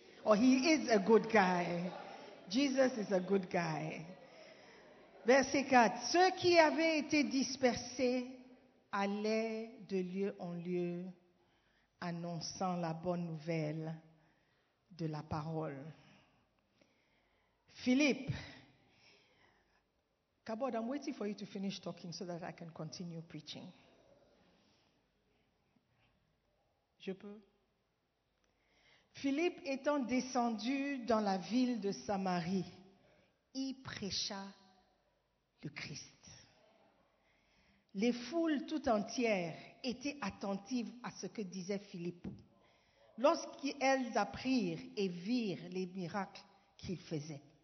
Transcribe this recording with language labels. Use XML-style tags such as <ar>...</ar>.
<en>Or he is a good guy. Jesus is a good guy.</en> <fr>Verset 4. Ceux qui avaient été dispersés allaient de lieu en lieu, annonçant la bonne nouvelle de la parole.</fr> <en>Philippe, Kabod, I'm waiting for you to finish talking so that I can continue preaching.</en> <fr>Je peux? Philippe étant descendu dans la ville de Samarie, y prêcha le Christ. Les foules tout entières étaient attentives à ce que disait Philippe, lorsqu'elles apprirent et virent les miracles qu'il faisait.</fr>